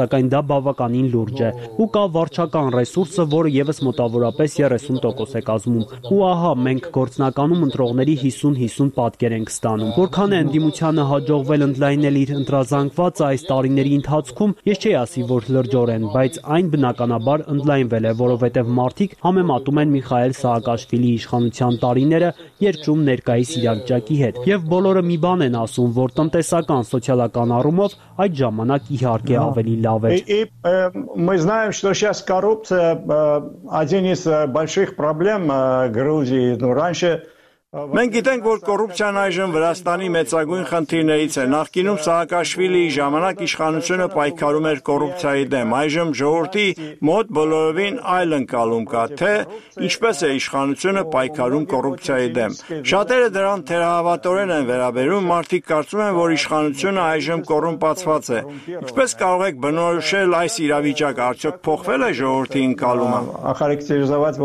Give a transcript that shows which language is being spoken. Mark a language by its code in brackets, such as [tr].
[hy] սակայն դա բավականին լուրջ է ու կա վարչական ռեսուրսը, որը եւս մոտավորապես 30% է կազմում։ Ու ահա, մենք գործնականում ընտրողների 50-50 պատկեր ենք ստանում։ Որքան է ընդդիմությանը հաջողվել ընդլայնել իր ընտրազանգվածը այս տարիների ընթացքում, ես չի ասի, որ լրջորեն, բայց այն բնականաբար ընդլայնվել է, որովհետեւ մարդիկ համեմատում են Միխայել Սահակաշվիլի իշխանության տարիները երկրում ներկայիս իրավիճակի հետ, եւ բոլորը մի բան են ասում, որ տնտեսական, սոցիալական առումով այդ ժամանակ իհարկե ավելի լավ էր։ [ru] И мы знаем, что сейчас коррупция один из больших проблем Грузии, но раньше [hy] Մենք գիտենք, որ կոռուպցիան այժմ Վրաստանի մեծագույն խնդիրներից է։ Նախկինում Սահակաշվիլի ժամանակ իշխանությունը պայքարում էր կոռուպցիայի դեմ։ Այժմ ժողովրդի մոտ բոլորովին այլ ընկալում կա, թե ինչպես է իշխանությունը պայքարում կոռուպցիայի դեմ։ Շատերը դրան թերահավատորեն են վերաբերում, մարդիկ կարծում են, որ իշխանությունը այժմ կոռումպացված է։ Ինչպես կարող եք բնորոշել այս իրավիճակը, արդյոք փոխվել է ժողովրդի ընկալումը։